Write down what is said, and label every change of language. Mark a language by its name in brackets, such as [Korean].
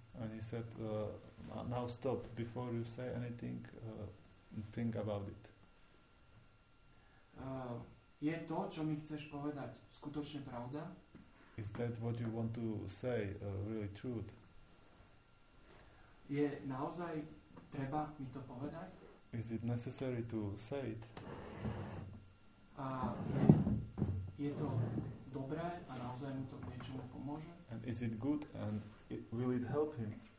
[English] And he said, now stop, before you say anything, think about it. [Slovak] Je to, čo mi chceš povedať, skutočne pravda? [English] Is that what you want to say, really truth? [Slovak] Je naozaj treba mi to povedať? [English] Is it necessary to say it? [Slovak] A je to dobré a naozaj mu to k niečomu pomôže? [English] And is it good and will it help him?